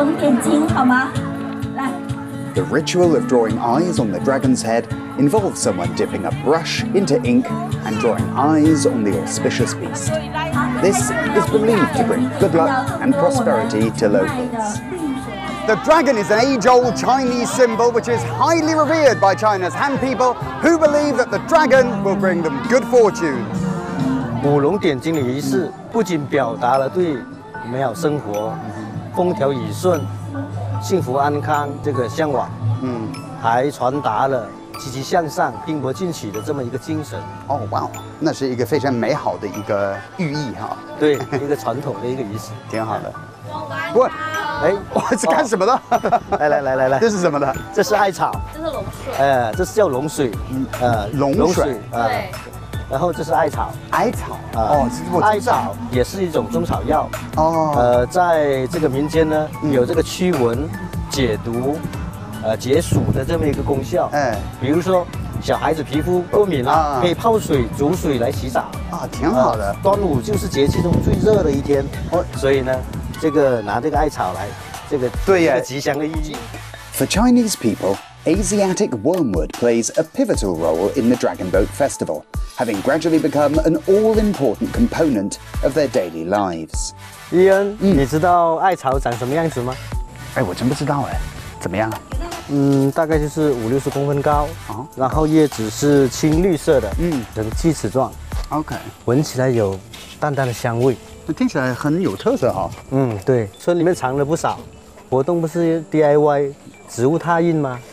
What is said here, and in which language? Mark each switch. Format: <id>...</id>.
<en>The ritual of drawing eyes on the dragon's head involves someone dipping a brush into ink and drawing eyes on the auspicious beast. This is believed to bring good luck and prosperity to locals. The dragon is an age-old Chinese symbol which is highly revered by China's Han people who believe that the dragon will bring them good fortune.</en> <zh>舞龙点睛的仪式不仅表达了对美好生活、风调雨顺、幸福安康这个向往，还传达了积极向上、拼搏进取的这么一个精神。哦，哇，那是一个非常美好的一个寓意哈。对，一个传统的一个仪式，挺好的。不。哎，哇，是干什么的？来、哦、来来来来，这是什么的？这是艾草，这是龙水，这是叫龙水，龙水，对。然后这是艾草，艾草，艾草也是一种中草药，哦，在这个民间呢，有这个驱蚊、解毒、解暑的这么一个功效，哎，比如说小孩子皮肤过敏了、可以泡水煮水来洗澡，啊，挺好的。端午就是节气中最热的一天，哦，所以呢。这个拿这个艾草来，这个对呀，这个、吉祥的意义。</zh> <en>For Chinese people, Asiatic wormwood plays a pivotal role in the Dragon Boat Festival, having gradually become an all-important component of their daily lives.</en> <zh>Ian，你知道艾草长什么样子吗？哎，我真不知道哎，怎么样？大概就是五六十公分高啊，然后叶子是青绿色的，呈锯齿状。 OK，闻起来有淡淡的香味。听起来很有特色哈、对，村里面藏了不少，活动不是 DIY 植物拓印吗、</zh>